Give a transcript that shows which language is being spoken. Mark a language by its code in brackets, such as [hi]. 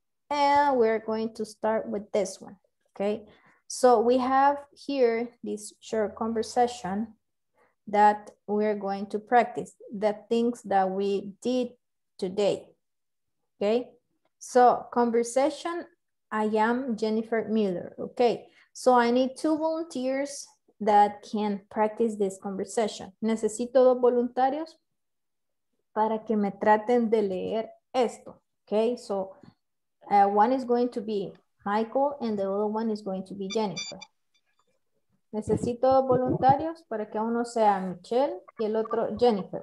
[en] And we're going to start with this one. Ok. So we have here this short conversation that we're going to practice, the things that we did today, okay? So conversation, I am Jennifer Miller, okay? So I need two volunteers that can practice this conversation. [es] Necesito dos voluntarios para que me traten de leer esto, okay? [en] So one is going to be Michael and the other one is going to be Jennifer. [es] Necesito dos voluntarios para que uno sea Michelle y el otro Jennifer.